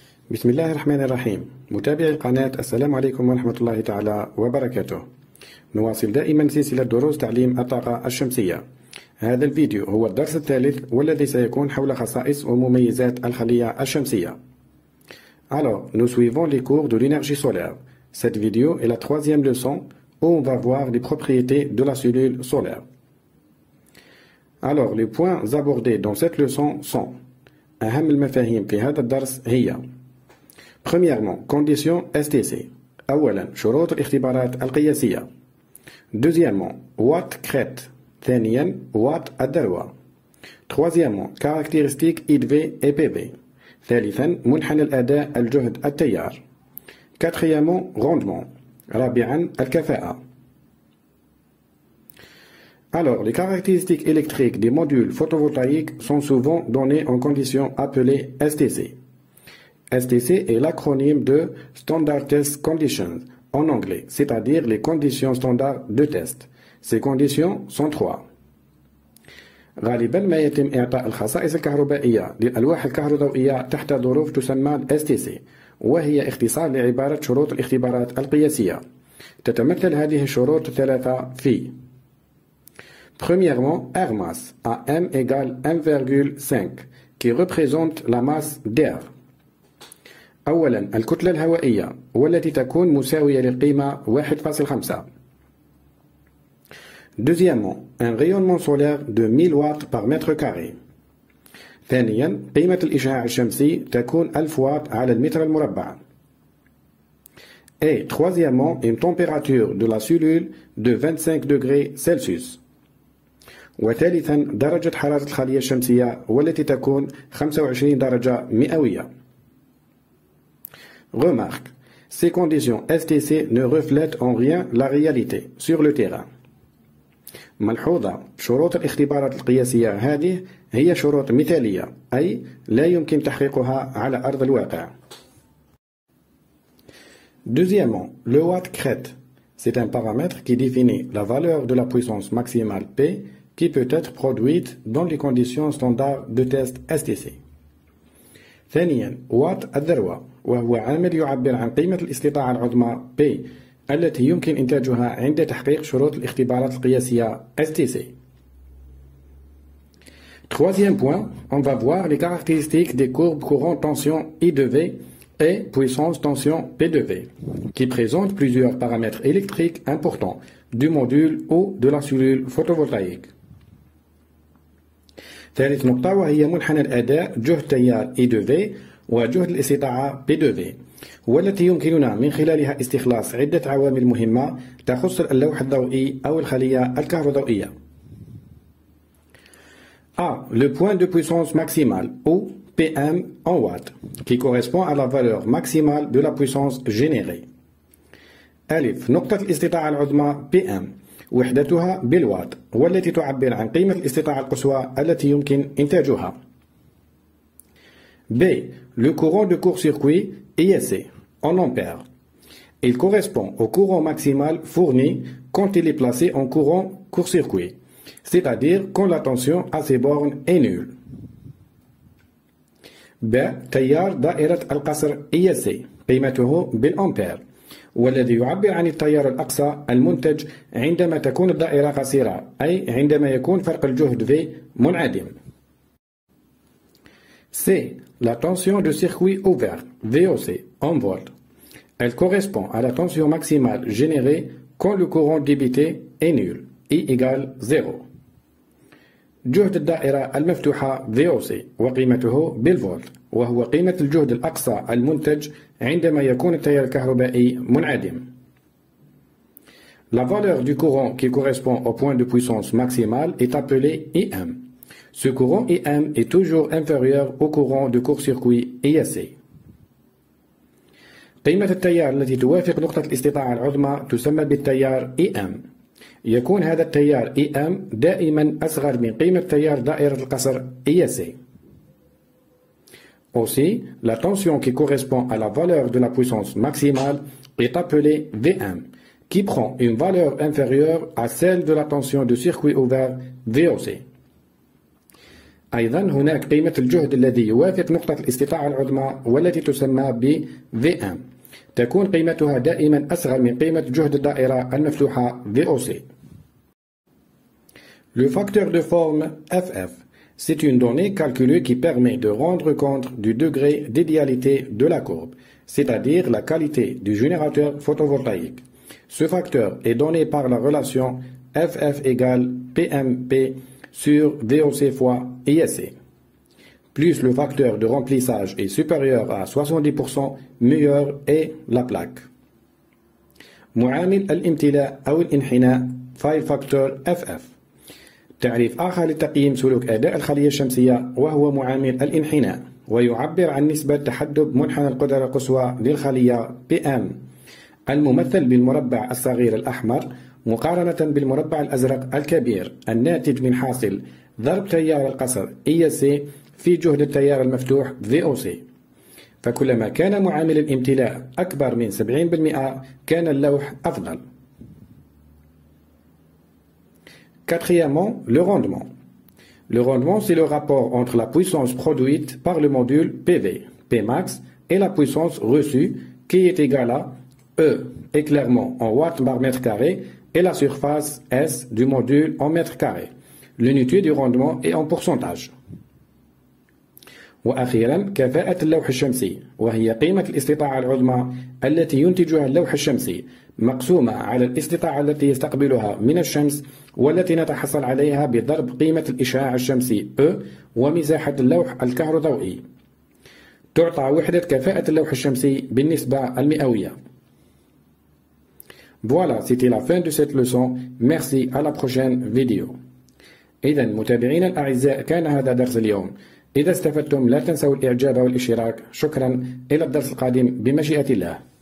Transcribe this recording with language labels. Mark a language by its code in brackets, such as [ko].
[ar] بسم الله الرحمن الرحيم. متابعي القناة، السلام عليكم ورحمة الله تعالى وبركاته. نواصل دائما سلسلة دروس تعليم الطاقة الشمسية. هذا الفيديو هو الدرس الثالث، والذي سيكون حول خصائص ومميزات الخلية الشمسية. [fr] Alors, nous suivons les cours de l'énergie solaire. Cette vidéo est la troisième leçon où on va voir les propriétés de la cellule solaire. Alors, les points abordés dans cette leçon sont [ar] أهم المفاهيم في هذا الدرس هي [fr] Premièrement, conditions STC. [ar] أولا, شروط الاختبارات القياسية. [fr] Deuxièmement, watt crête. [ar] ثانياً, watt الدروة. [fr] Troisièmement, caractéristiques IDV et PV. [ar] ثالثاً, منحنى الأداء الجهد التيار. [fr] Quatrièmement, rendement. [ar] رابعاً, الكفاءة. [fr] Alors, les caractéristiques électriques des modules photovoltaïques sont souvent données en conditions appelées STC. STC est l'acronyme de Standard Test Conditions en anglais, c'est-à-dire les conditions standards de test. Ces conditions sont trois. [ar] غالبا ما يتم إعطاء الخصائص الكهربائية للألواح الكهروضوئية تحت ظروف تسمى STC، وهي اختصار لعبارة شروط الاختبارات القياسية. تتمثل هذه الشروط ثلاثة في. [fr] Premièrement, air mass AM égale 1,5 qui représente la masse d'air. [ar] أولا الكتلة الهوائية، والتي تكون مساوية للقيمة 1.5. [fr] Deuxièmement, un rayonnement solaire de 1000 watts par mètre carré. [ar] ثانيا قيمة الإشعاع الشمسي تكون 1000 watts على المتر المربع. [fr] Et troisièmement, une température de la cellule de 25 degrés Celsius. [ar] وثالثا درجة حرارة الخلية الشمسية، والتي تكون 25 درجة مئوية. [fr] Remarque, ces conditions STC ne reflètent en rien la réalité sur le terrain. [ar] ملحوظة، شروط الاختبارات القياسية هذه هي شروط مثالية، أي لا يمكن تحقيقها على أرض الواقع. [fr] Deuxièmement, le watt crête. C'est un paramètre qui définit la valeur de la puissance maximale P qui peut être produite dans les conditions standards de test STC. [ar] ثانياً، watt الذروة. وهو عامل يعبر عن قيمة الاستطاعة العظمى P التي يمكن إنتاجها عند تحقيق شروط الاختبارات القياسية STC. [fr] Troisième point, on va voir les caractéristiques des courbes courant tension I2V et puissance tension P2V qui présentent plusieurs paramètres électriques importants du module ou de la cellule photovoltaïque. [ar] ثالث نقطة وهي منحنى الأداء جهد تيار I2V وجهد الاستطاعة P2V، والتي يمكننا من خلالها استخلاص عدة عوامل مهمة تخص اللوح الضوئي أو الخلية الكهروضوئية. [fr] A. Le point de puissance maximale ou PM en watt qui correspond à la valeur maximale de la puissance générée. [ar] ألف نقطة الاستطاعة العظمى PM وحدتها بالوات، والتي تعبر عن قيمة الاستطاعة القصوى التي يمكن إنتاجها. [fr] B. Le courant de court-circuit ISC en ampères. Il correspond au courant maximal fourni quand il est placé en courant court-circuit, c'est-à-dire quand la tension à ses bornes est nulle. B. [ar] تيار دائرة القصر ISC قيمته بالأمبير، والذي يعبر عن التيار الأقصى المنتج عندما تكون الدائرة قصيرة، أي عندما يكون فرق الجهد V منعدم. [fr] C. La tension de circuit ouvert, VOC, en volt. Elle correspond à la tension maximale générée quand le courant débité est nul, I égale 0. [ar] جهد الدائرة المفتوحة VOC وقيمته بالفولت، وهو قيمة الجهد الأقصى المنتج عندما يكون التيار الكهربائي منعدم. [fr] La valeur du courant qui correspond au point de puissance maximale est appelée IM. Ce courant IM est toujours inférieur au courant de court-circuit ISC. [ar] قيمة التيار التي توافق نقطة الاستطاعة العظمى تسمى بالتيار IM. يكون هذا التيار IM دائما أصغر من قيمة تيار دائرة القصر ISC. [fr] Aussi, la tension qui correspond à la valeur de la puissance maximale est appelée Vm, qui prend une valeur inférieure à celle de la tension du circuit ouvert VOC. [ar] أيضا هناك قيمة الجهد الذي يوافق نقطة الاستطاعة العظمى والتي تسمى ب Vm. تكون قيمتها دائما أصغر من قيمة جهد الدائرة المفتوحة VOC. [fr] Le facteur de forme FF, c'est une donnée calculée qui permet de rendre compte du degré d'idéalité de la courbe, c'est-à-dire la qualité du générateur photovoltaïque. Ce facteur est donné par la relation FF égale PMP sur VOC fois ISC. Plus le facteur de remplissage est supérieur à 70%, meilleur est la plaque. [ar] معامل الامتلاء أو الانحناء file factor FF. تعريف آخر لتقييم سلوك أداء الخلية الشمسية وهو معامل الانحناء ويعبر عن نسبة تحدب منحنى القدرة القصوى للخلية PM الممثل بالمربع الصغير الأحمر مقارنة بالمربع الأزرق الكبير الناتج من حاصل ضرب تيار القصر ESC في جهد التيار المفتوح VOC فكلما كان معامل الامتلاء أكبر من 70% كان اللوح أفضل. [fr] Quatrièmement, le rendement. Le rendement, c'est le rapport entre la puissance produite par le module PV, Pmax, et la puissance reçue, qui est égale à E, éclairement en watts par mètre carré, et la surface S du module en mètre carré. L'unité du rendement est en pourcentage. [ar] وأخيراً كفاءة اللوح الشمسي وهي قيمة الاستطاعة العظمى التي ينتجها اللوح الشمسي مقسومة على الاستطاعة التي يستقبلها من الشمس والتي نتحصل عليها بضرب قيمة الإشعاع الشمسي E ومساحة اللوح الكهروضوئي تعطى وحدة كفاءة اللوح الشمسي بالنسبة المئوية. [fr] Voilà, c'était la fin de cette leçon. Merci, à la prochaine vidéo. [ar] إذن متابعين الأعزاء كان هذا درس اليوم. إذا استفدتم لا تنسوا الإعجاب والاشتراك. شكرا. إلى الدرس القادم بمشيئة الله.